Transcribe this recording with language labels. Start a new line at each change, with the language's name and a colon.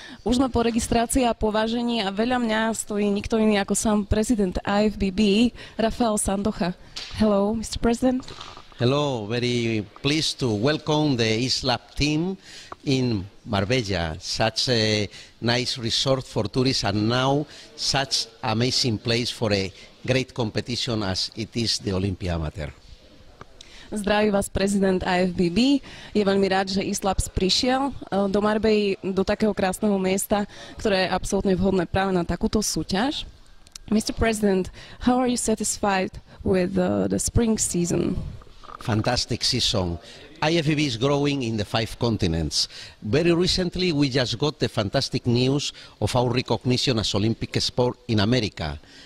Slovak: Už sme po registrácii a po vážení a veľa mňa stojí nikto iný ako sám prezident IFBB, Rafael Sandocha.
English: Hello, Mr. President. Hello, very pleased to welcome the ISLAP team in Marbella. Such a nice resort for tourists and now such amazing place for a great competition as it is the Olympia Amatér.
Slovak: Zdraví vás prezident IFBB. Je veľmi rád, že ISLAPS prišiel do Marbeji, do takého krásneho miesta, ktoré je absolútne vhodné práve na takúto súťaž.
English: Mr. President, how are you satisfied with the spring season? Fantastic season. IFBB is growing in the 5 continents. Very recently, we just got the fantastic news of our recognition as Olympic sport in America.